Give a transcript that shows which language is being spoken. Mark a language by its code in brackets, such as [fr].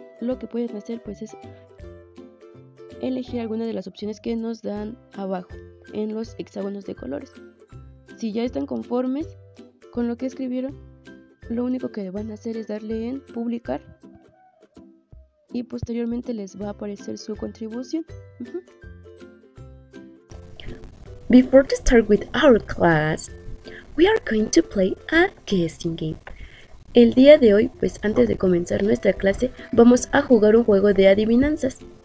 [es] Lo que pueden hacer pues es elegir alguna de las opciones que nos dan abajo en los hexágonos de colores. Si ya están conformes con lo que escribieron, lo único que van a hacer es darle en publicar y posteriormente les va a aparecer su contribución. [en] Before to start with our class, we are going to play a guessing game. [es] El día de hoy, pues antes de comenzar nuestra clase, vamos a jugar un juego de adivinanzas.